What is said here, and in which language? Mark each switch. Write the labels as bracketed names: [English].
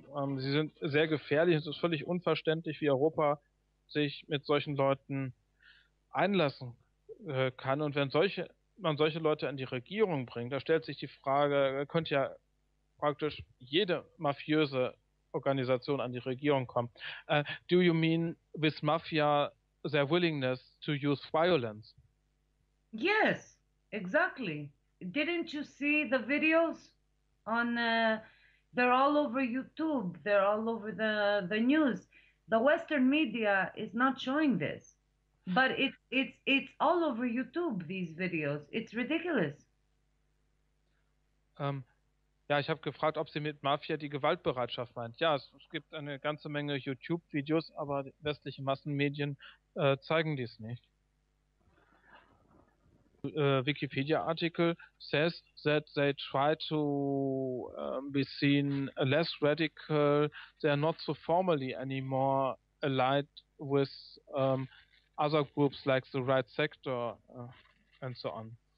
[German] Und sie sind sehr gefährlich. Es ist völlig unverständlich, wie Europa sich mit solchen Leuten einlassen kann. Und wenn man solche Leute an die Regierung bringt, da stellt sich die Frage, könnte ja praktisch jede mafiöse Organisation an die Regierung kommen. [English] Do you mean with Mafia their willingness to use violence? Yes, exactly. Didn't you see the videos on, they're all over YouTube, they're all over the news. The Western media is not showing this, but it's all over YouTube, these videos. It's ridiculous. [German] Ich habe gefragt, ob sie mit Mafia die Gewaltbereitschaft meint. Ja, es gibt eine ganze Menge YouTube-Videos, aber westliche Massenmedien zeigen dies nicht. [English] Wikipedia-Artikel says that they try to be seen less radical. They are not so formally anymore allied with other groups like the right sector and so on.